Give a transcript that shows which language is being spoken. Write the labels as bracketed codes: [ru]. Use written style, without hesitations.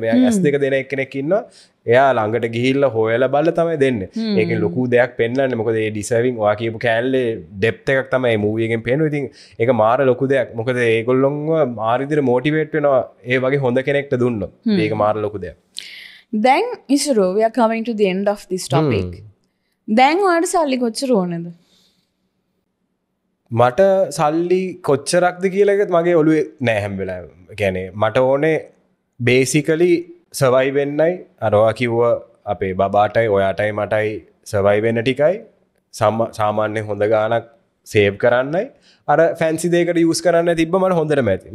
[si] මෙයා ඇස් දෙක දෙන එක්කෙනෙක් ඉන්නවා. එයා ළඟට ගිහිල්ලා හොයලා බලලා තමයි දෙන්නේ. ඒකේ ලොකු දෙයක් පෙන්වන්නේ. මොකද ඒ ඩිසර්වින් ඔයා කියපු කෑල්ලේ ඩෙප්ත් එකක් තමයි මේ මූවි එකෙන් පේනවා. ඉතින් ඒක මාර ලොකු දෙයක්. මොකද ඒගොල්ලොන්ව මාර විදිහට මොටිවේට් වෙනවා ඒ වගේ හොඳ කෙනෙක්ට දුන්නොත්. මේක මාර ලොකු දෙයක්. [en] Then Isuru, we are coming to the end of this topic. [si] Then ඔයාට සල්ලි කොච්චර ඕනද? මට සල්ලි කොච්චරක්ද කියලා එක මගේ ඔළුවේ නෑ හැම වෙලාවෙම. කියන්නේ මට ඕනේ බේසිකලි සර්වයිව් වෙන්නයි, අරවා කිව්ව අපේ බබාටයි ඔයාටයි මටයි සර්වයිව් වෙන්න ටිකයි, සාමාන්‍ය හොඳ ගාණක් සේව් කරන්නයි, අර ෆැන්සි දෙයකට යූස් කරන්න තිබ්බ මට හොඳටම ඇති.